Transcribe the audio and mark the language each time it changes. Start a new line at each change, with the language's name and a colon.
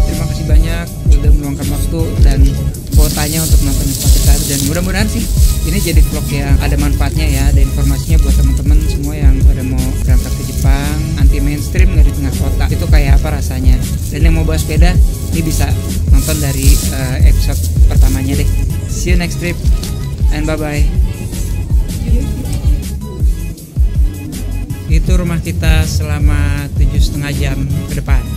Indonesian: Terima kasih banyak udah meluangkan waktu dan kuotanya untuk nonton vlog kita, dan mudah-mudahan sih ini jadi vlog yang ada manfaatnya ya, ada informasinya buat teman-teman semua yang pada mau berangkat ke Jepang, anti mainstream nggak di tengah kota itu kayak apa rasanya, dan yang mau bawa sepeda ini bisa nonton dari episode pertamanya deh.
English: See you next trip and bye bye.
Indonesian: Itu rumah kita selama 7,5 jam ke depan.